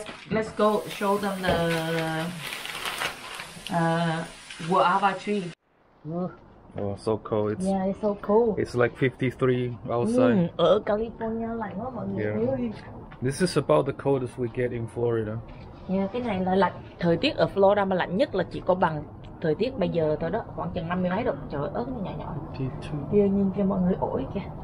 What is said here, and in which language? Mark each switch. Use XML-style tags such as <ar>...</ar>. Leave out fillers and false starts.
<en>Let's go show them the guava tree. Oh, so cold. It's, yeah, it's so cold. It's like 53 outside.</en> <vi>Ở California lạnh quá mọi người.</vi> <en>This is about the coldest we get in Florida.</en> <vi>Yeah, cái này là lạnh. Thời tiết ở Florida mà lạnh nhất là chỉ có bằng thời tiết bây giờ thôi đó, khoảng chừng 50 mấy độ. Trời ớt nhỏ nhỏ. Kia nhìn kia mọi người ổi kìa.</vi>